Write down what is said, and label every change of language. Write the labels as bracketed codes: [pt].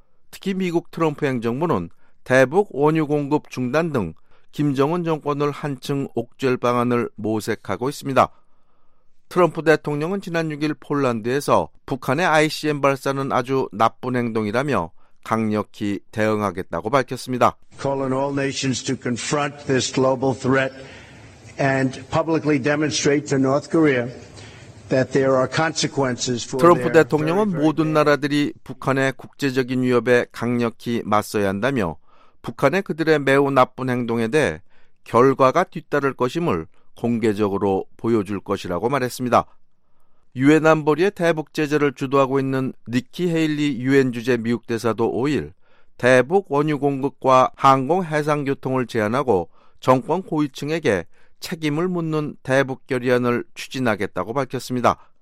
[ko] 특히 미국 트럼프 행정부는 대북 원유 공급 중단 등 김정은 정권을 한층 옥죄할 방안을 모색하고 있습니다. 트럼프 대통령은 지난 6일 폴란드에서 북한의 ICM 발사는 아주 나쁜 행동이라며 강력히 대응하겠다고 밝혔습니다. [en] Call on all nations to confront this global threat and publicly demonstrate to North Korea that there are consequences for [ko] 트럼프 대통령은 모든 나라들이 북한의 국제적인 위협에 강력히 맞서야 한다며 북한의 그들의 매우 나쁜 행동에 대해 결과가 뒤따를 것임을 공개적으로 보여줄 것이라고 말했습니다. 유엔 안보리의 대북 제재를 주도하고 있는 니키 헤일리 유엔 주재 미국 대사도 5일 대북 원유 공급과 항공 해상 교통을 제한하고 정권 고위층에게 책임을 묻는 대북 결의안을 추진하겠다고 밝혔습니다.